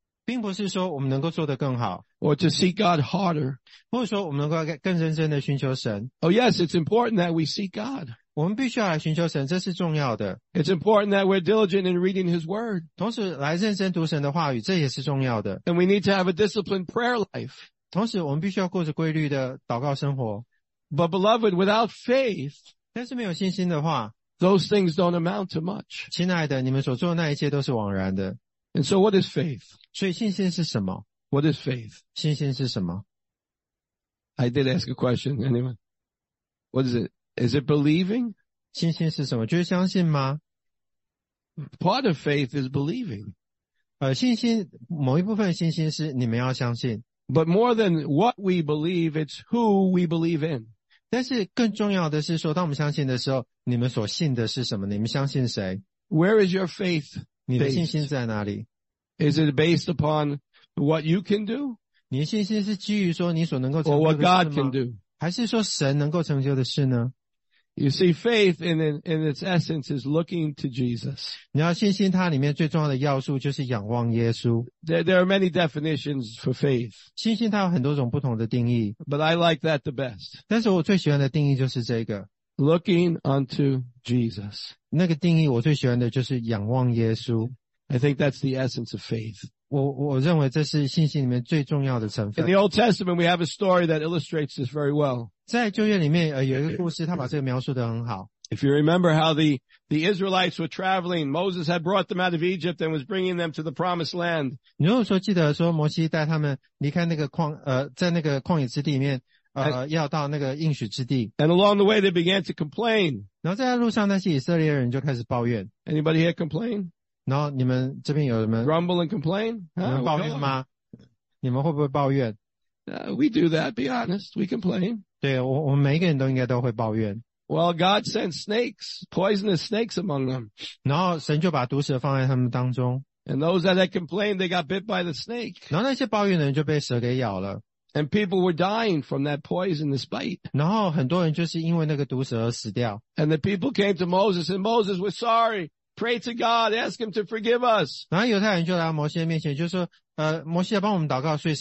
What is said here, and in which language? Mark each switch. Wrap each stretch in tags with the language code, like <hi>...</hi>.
<zh>并不是说我们能够做得更好</zh> <en>，or to seek God harder.</en> <zh>或者说我们能够更认真的寻求神。</zh> <en>Oh yes, it's important that we seek God.</en> <zh>我们必须要来寻求神，这是重要的。</zh> <en>It's important that we're diligent in reading His Word.</en> <zh>同时来认真读神的话语，这也是重要的。</zh> <en>And we need to have a disciplined prayer life.</en> <zh>同时我们必须要过着规律的祷告生活。</zh> <en>But beloved, without faith,</en> <zh>但是没有信心的话</zh> <en>those things don't amount to much.</en> <zh>亲爱的，你们所做的那一切都是枉然的。</zh> <en>And so what is faith?</en> <zh>所以信心是什么？</zh> <en>What is faith?</en> <zh>信心是什么？</zh> <en>I did ask a question, anyone? What is it? Is it believing?</en> <zh>信心是什么？就是相信吗？</zh> <en>Part of faith is believing.</en> <zh>信心，某一部分信心是你们要相信。</zh> <en>But more than what we believe, it's who we believe in.</en> <zh>但是更重要的是说，当我们相信的时候，你们所信的是什么？你们相信谁？</zh> <en>Where is your faith based?</en> <zh>你的信心在哪里？</zh> <en>Is it based upon what you can do?</en> <zh>你的信心是基于说你所能够成就的事吗？</zh> <en>Or what God can do?</en> <zh>还是说神能够成就的事呢</zh> <en>？You see, faith in its essence is looking to Jesus.</en> <zh>你要信心，它里面最重要的要素就是仰望耶稣。</zh> <en>There are many definitions for faith.</en> <zh>信心它有很多种不同的定义。</zh> <en>But I like that the best.</en> <zh>但是我最喜欢的定义就是这个</zh> <en>，looking unto Jesus.</en> <zh>那个定义我最喜欢的就是仰望耶稣。</zh> <en>I think that's the essence of faith.</en> <zh>我认为这是信心里面最重要的成分。</zh> <en>In the Old Testament, we have a story that illustrates this very well.</en> <zh>在旧约里面, 有一个故事, 他把这个描述得很好。</zh> <en>If you remember how the Israelites were traveling, Moses had brought them out of Egypt and was bringing them to the promised land.</en> <zh>你如果说记得说摩西带他们离开那个旷, 在那个旷野之地里面,</zh> <en>And along the way, they began to complain.</en> <zh>然后在路上,</zh> <en>Anybody here complain?</en> <zh>然后你们这边有什么?</zh> <en>Grumble and complain? Huh? We do that, be honest. We complain.</en> <zh>对,</zh> <en>well, God sent snakes, poisonous snakes among them. And those that had complained, they got bit by the snake. And people were dying from that poisonous bite. And the people came to Moses, and Moses was sorry. Pray to God, ask him to forgive us.</en> <zh>然后犹太人就来到摩西的面前，就说, 摩西要帮我们祷告,</zh>